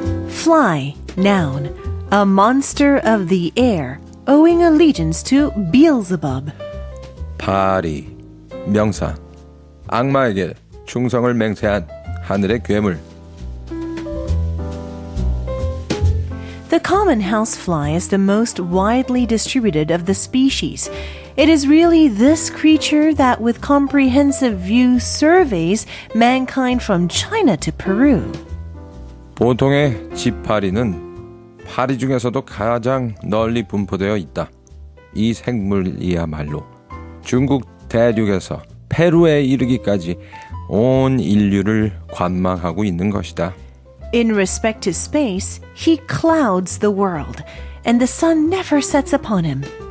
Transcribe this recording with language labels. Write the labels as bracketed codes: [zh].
[en] Fly, noun, a monster of the air, owing allegiance to Beelzebub. [ko] 파리, 명사, 악마에게 충성을 맹세한 하늘의 괴물. [en] The common housefly is the most widely distributed of the species. It is really this creature that, with comprehensive view, surveys mankind from China to Peru. [ko] 보통의 지파리는 파리 중에서도 가장 널리 분포되어 있다. 이 생물이야말로 중국 대륙에서 페루에 이르기까지 온 인류를 관망하고 있는 것이다. [en] In respect to space, he clouds the world, and the sun never sets upon him.